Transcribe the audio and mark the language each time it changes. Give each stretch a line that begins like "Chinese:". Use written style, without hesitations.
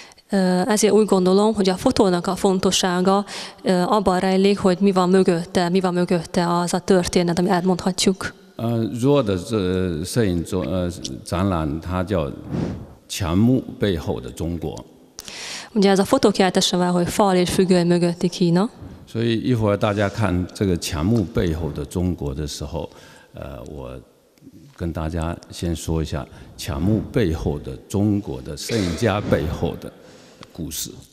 Hungarian: Ezért úgy gondolom, hogy a fotónak a fontossága abban rejlik, hogy mi van mögötte az a történet, amit elmondhatjuk.
Chinese: 若的这摄影展览它叫 墙幕背后的中国.
Hungarian: Ugye ez a fotókiáltásával, hogy fal és függöny mögötti Kína.
Chinese: 所以一会儿大家看这个墙幕背后的中国的时候, 我跟大家先说一下墙幕背后的中国的摄影家背后的故事.